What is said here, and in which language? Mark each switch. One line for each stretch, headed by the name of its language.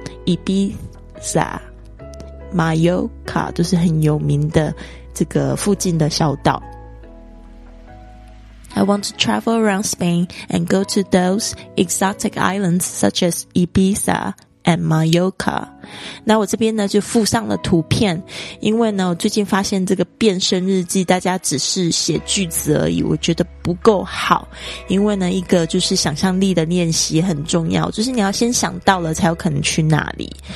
Chinese: Ibiza Mallorca 都是很有名的这个附近的小岛。
English: I want to travel around Spain and go to those exotic islands such as Ibiza and Mallorca。
Chinese: 那我这边呢就附上了图片，因为呢我最近发现这个变身日记大家只是写句子而已，我觉得不够好，因为呢一个就是想象力的练习很重要，就是你要先想到了才有可能去哪里。